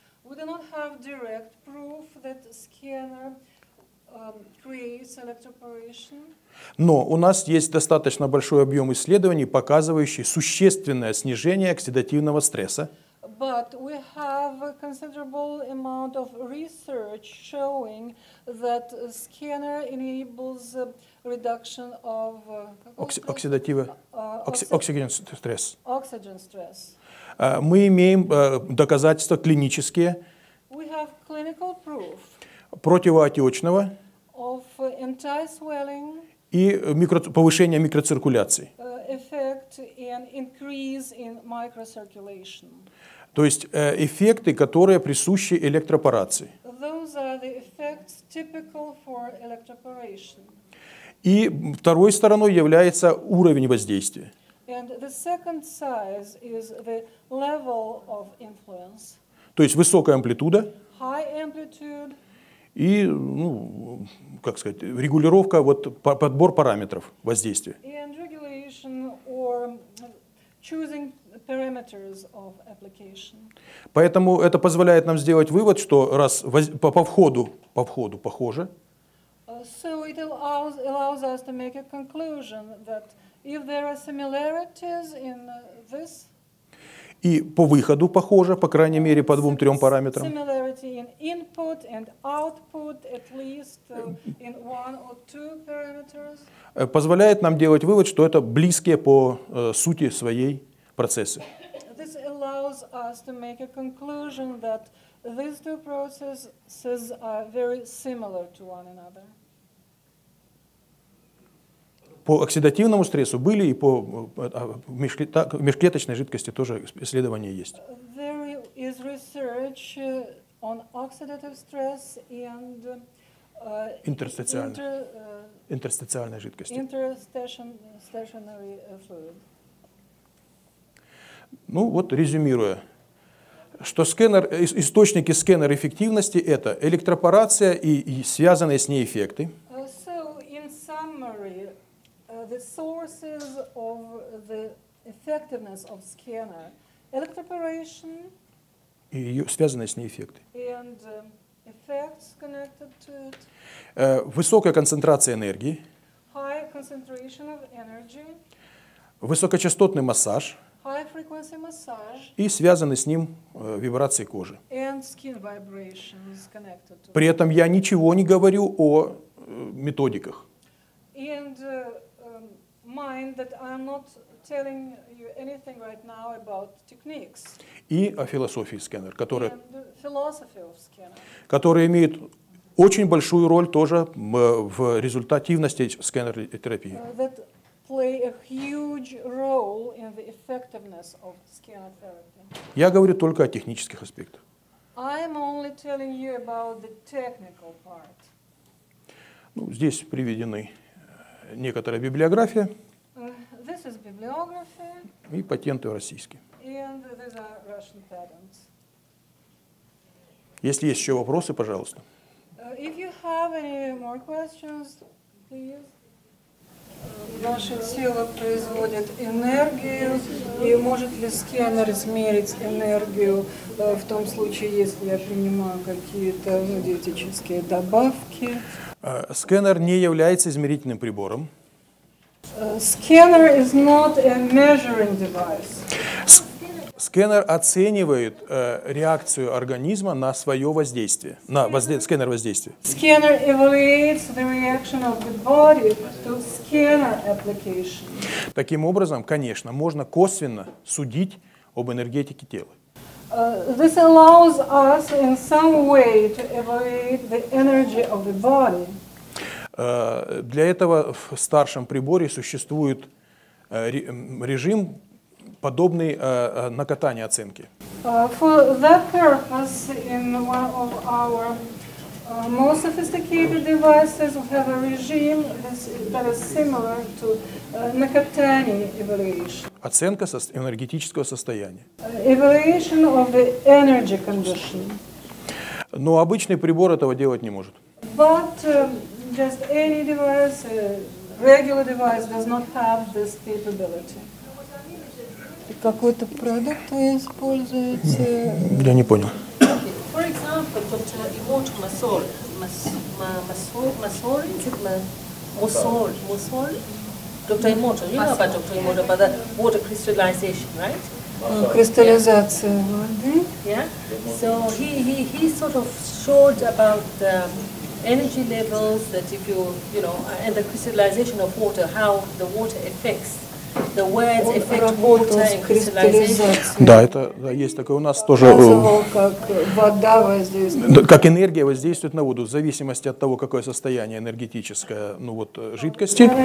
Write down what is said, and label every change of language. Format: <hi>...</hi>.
<en>We do not have direct proof that scanner creates electroporation.</en> <ru>Но у нас есть достаточно большой объем исследований, показывающий существенное снижение оксидативного стресса.</ru> <en>But we have a considerable amount of research showing that scanner enables reduction of oxygen stress.</en> <ru>Мы имеем доказательства клинические.</ru> <en>We have clinical proof</en> <ru>противоотечного.</ru> <en>Of anti-swelling.</en> <ru>И повышение микроциркуляции.</ru> <en>Effect and increase in microcirculation.</en> <ru>То есть эффекты, которые присущи электропорации.</ru> <en>Those are the effects typical for electroporation.</en> <ru>И второй стороной является уровень воздействия.</ru> <en>And the second size is the level of influence.</en> <ru>То есть высокая амплитуда.</ru> <en>High amplitude.</en> <ru>И, ну, как сказать, регулировка, вот подбор параметров воздействия.</ru> <en>And regulation or choosing parameters of application.</en> <ru>Поэтому это позволяет нам сделать вывод, что раз по входу похоже.</ru> <en>So it allows us to make a conclusion that if there are similarities in this.</en> <ru>И по выходу похоже, по крайней мере, по двум-трем параметрам.</ru> <en>Similarity in input and output, at least in one or two parameters.</en> <ru>Позволяет нам делать вывод, что это близкие по сути своей процессы.</ru> <en>This allows us to make a conclusion that these two processes are very similar to one another.</en> <ru>По оксидативному стрессу были, и по межклеточной жидкости тоже исследования есть.</ru> <en>There is research on oxidative stress and</en> <ru>интерстициальной жидкости.</ru> <en>Interstationary fluid.</en> <ru>Ну вот, резюмируя, что сканер, источники сканер эффективности — это электропорация и связанные с ней эффекты.</ru> <en>So, in summary, the sources of the effectiveness of scanner, electroporation</en> <ru>и связанные с ней эффекты.</ru> <en>And effects connected to it.</en> <ru>Высокая концентрация энергии.</ru> <en>High concentration of energy.</en> <ru>Высокочастотный массаж.</ru> <en>High high-frequency massage,</en> <ru>и связаны с ним вибрации кожи.</ru> <en>And skin vibrations connected to.</en> <ru>При этом я ничего не говорю о методиках.</ru> <en>And mind that I'm not telling you anything right now about techniques.</en> <ru>И о философии сканера, которая,</ru> <en>and philosophy of scanner,</en> <ru>которая имеет очень большую роль тоже в результативности сканер-терапии.</ru> <en>That play a huge role in the effectiveness of scanner therapy.</en> <ru>Я говорю только о технических аспектах.</ru> <en>I'm only telling you about the technical part.</en> <ru>Ну, здесь приведены некоторая библиография.</ru> <en>This is bibliography.</en> <ru>И патенты российские.</ru> <en>And these are Russian patents.</en> <ru>Если есть еще вопросы, пожалуйста.</ru> <en>If you have any more questions, please.</en> <ru>Ваше тело производит энергию, и может ли сканер измерить энергию в том случае, если я принимаю какие-то диетические добавки? Сканер не является измерительным прибором.</ru> <en>Scanner is not a measuring device.</en> <ru>Сканер оценивает реакцию организма на свое воздействие, на сканер воздействие.</ru> <en>Scanner evaluates the reaction of the body to scanner application.</en> <ru>Таким образом, конечно, можно косвенно судить об энергетике тела.</ru> <en>This allows us in some way to evaluate the energy of the body.</en> <ru>Для этого в старшем приборе существует режим, подобный на катание оценки.</ru> <en>For that purpose, in one of our most sophisticated devices, we have a regime that is similar to</en> <ru>накатание</ru> <en>evaluation.</en> <ru>Оценка энергетического состояния.</ru> <en>Evaluation of the energy condition.</en> <ru>Но обычный прибор этого делать не может.</ru> <en>But just any device, regular device, does not have this capability.</en> <ru>Какой-то продукт вы используете? Я не понял.</ru> <en>For example, Dr. Imoto Masol. Masol? Dr. Imoto. You know about Dr. Imoto, about that water crystallization, right?</en> <ru>Кристаллизация воды.</ru> <en>Yeah. So he sort of showed about the energy levels that if you, you know, and the crystallization of water, how the water affects. The words effect water crystallization.</en> <ru>Да, это да, есть такое у нас тоже. Как энергия воздействует на воду в зависимости от того, какое состояние энергетическое, ну вот жидкости.</ru>